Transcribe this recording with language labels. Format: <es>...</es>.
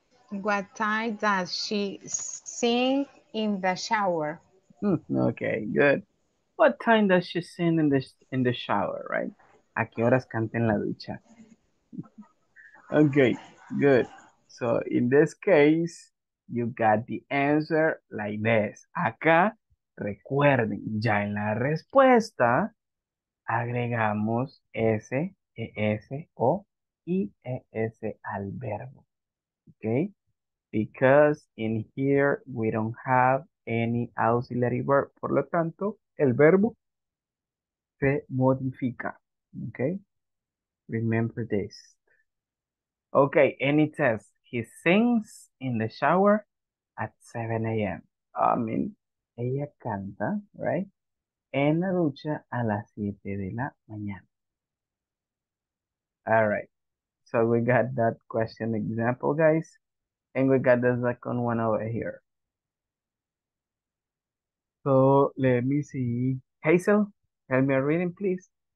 <en>What time does she sing in the shower? Okay, good. What time does she sing in the shower, right? ¿A qué horas canta en la ducha? Okay, good. So in this case, you got the answer like this.</en> <es>Acá, recuerden, ya en la respuesta, agregamos ese, E-S, O, I-E-S al verbo.</es> <en>Okay? Because in here, we don't have any auxiliary verb.</en> <es>Por lo tanto, el verbo se modifica. Okay? Remember this.</es> <en>Okay, any test? He sings in the shower at 7 a.m. I mean, ella canta, right?</en> <es>En la ducha a las 7 de la mañana.</es> <en>All right, so we got that question example, guys, and we got the second one over here. So let me see. Hazel, help me reading, please.</en>